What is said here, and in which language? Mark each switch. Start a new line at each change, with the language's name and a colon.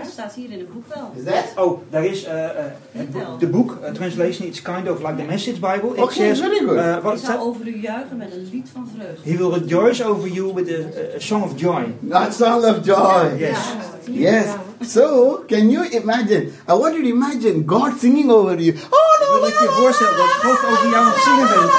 Dutch: Het staat hier in het boek wel. Is dat?
English: Oh,
Dutch: daar is de boek,
English: translation, it's kind of like the Message Bible. It says, very good.
Dutch: Wat zal over u juichen met een lied van vreugde.
English: He will rejoice over you with a song of joy. A song of joy. Yes. Yeah. Yes. So, can you imagine? I want you to imagine God singing over you.
Dutch: Oh, no, wil ik je voorstellen dat God over jou aan het zingen bent.